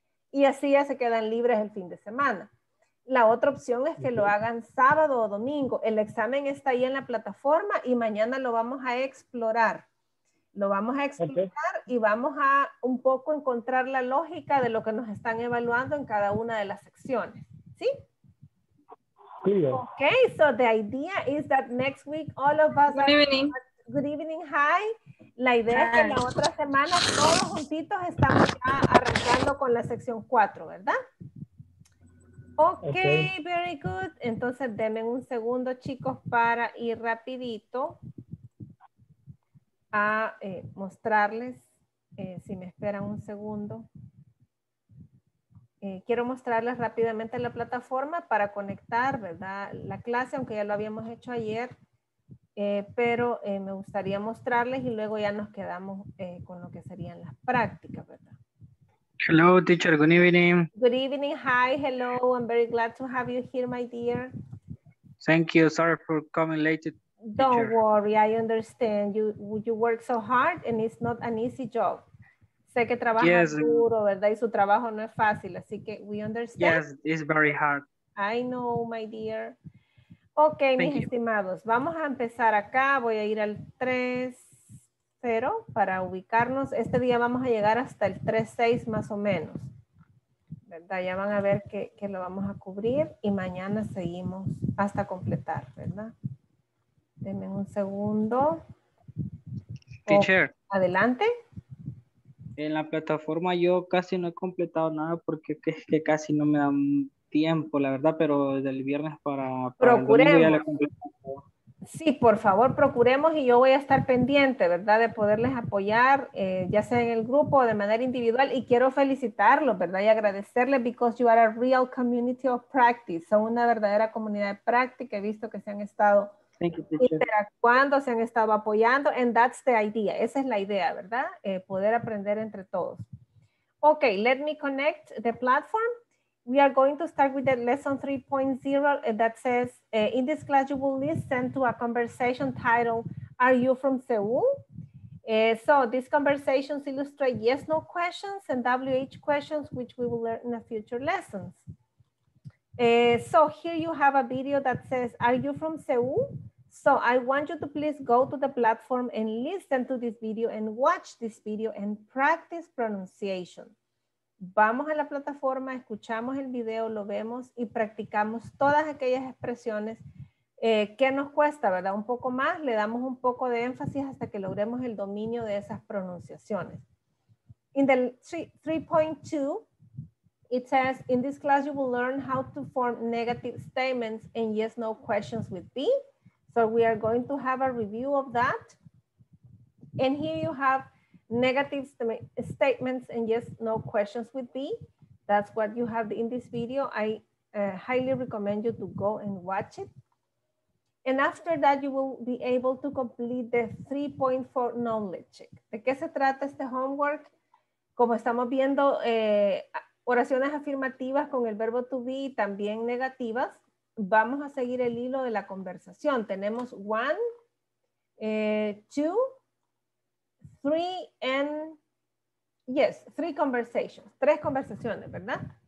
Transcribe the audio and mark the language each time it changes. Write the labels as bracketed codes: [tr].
[es] Y así ya se quedan libres el fin de semana. La otra opción es que lo hagan sábado o domingo. El examen está ahí en la plataforma y mañana lo vamos a explorar. Lo vamos a explorar y vamos a un poco encontrar la lógica de lo que nos están evaluando en cada una de las secciones, ¿sí? [en] Okay, so the idea is that next week all of us good evening, hi. [es] La idea es que la otra semana todos juntitos estamos ya arrancando con la sección 4, ¿verdad? [en] Okay, very good. [es] Entonces, denme un segundo, chicos, para ir rapidito a mostrarles, si me esperan un segundo. Quiero mostrarles rápidamente la plataforma para conectar, ¿verdad? La clase, aunque ya lo habíamos hecho ayer, pero me gustaría mostrarles y luego ya nos quedamos con lo que serían las prácticas, ¿verdad? [en] Hello, teacher. Good evening. Good evening. Hi. Hello. I'm very glad to have you here, my dear. Thank you. Sorry for coming late. Don't worry. I understand. You work so hard and it's not an easy job. [es] Sé que trabajas duro, ¿verdad? Y su trabajo no es fácil. Así que [en] we understand. Yes, it's very hard. I know, my dear. Ok, thank mis you. [es] Estimados. Vamos a empezar acá. Voy a ir al 3. Pero para ubicarnos, este día vamos a llegar hasta el 3-6 más o menos, ¿verdad? Ya van a ver que lo vamos a cubrir y mañana seguimos hasta completar, ¿verdad? Denme un segundo. Teacher. Oh, adelante. En la plataforma yo casi no he completado nada porque es que casi no me dan tiempo, la verdad, pero desde el viernes para el domingo ya la completé. Sí, por favor, procuremos y yo voy a estar pendiente, ¿verdad? De poderles apoyar, ya sea en el grupo o de manera individual. Y quiero felicitarlos, ¿verdad? Y agradecerles [en] because you are a real community of practice. [es] Son una verdadera comunidad de práctica. He visto que se han estado interactuando, se han estado apoyando. [en] And that's the idea. [es] Esa es la idea, ¿verdad? Poder aprender entre todos. [en] Ok, let me connect the platform. We are going to start with the lesson 3.0 that says, in this class, you will listen to a conversation titled, Are You From Seoul? So these conversations illustrate yes, no questions and WH questions, which we will learn in the future lessons. So here you have a video that says, Are You From Seoul? So I want you to please go to the platform and listen to this video and watch this video and practice pronunciation. Vamos a la plataforma, escuchamos el video, lo vemos y practicamos todas aquellas expresiones que nos cuesta, ¿verdad? Un poco más, le damos un poco de énfasis hasta que logremos el dominio de esas pronunciaciones. In the 3.2, it says, in this class you will learn how to form negative statements and yes-no questions with B. So we are going to have a review of that. And here you have negative statements and yes, no questions with B. That's what you have in this video. I highly recommend you to go and watch it. And after that, you will be able to complete the 3.4 knowledge check. [es] ¿De qué se trata este homework? Como estamos viendo oraciones afirmativas con el verbo to be y también negativas, vamos a seguir el hilo de la conversación. Tenemos [en] one, two, three and, yes, three conversations, [es] tres conversaciones, ¿verdad?